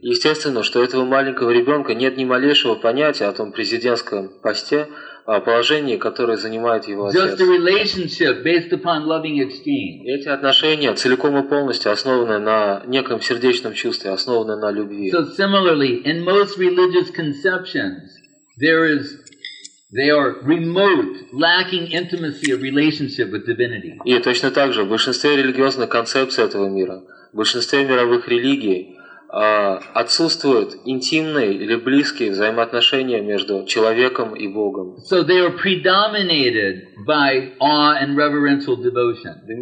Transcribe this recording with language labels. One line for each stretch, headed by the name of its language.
Russian: Естественно, что этого маленького ребенка нет ни малейшего понятия о том президентском посте, о положении, которое занимает его отец.
English: Just a relationship based upon loving exchange.
Russian: Эти отношения целиком и полностью основаны на неком сердечном чувстве, основаны на любви.
English: So similarly, in most religious conceptions, they are remote, lacking intimacy of relationship with divinity.
Russian: И точно так же в большинстве религиозных концепций этого мира. В большинстве мировых религий отсутствуют интимные или близкие взаимоотношения между человеком и Богом.
English: So they are predominated by awe and reverential devotion.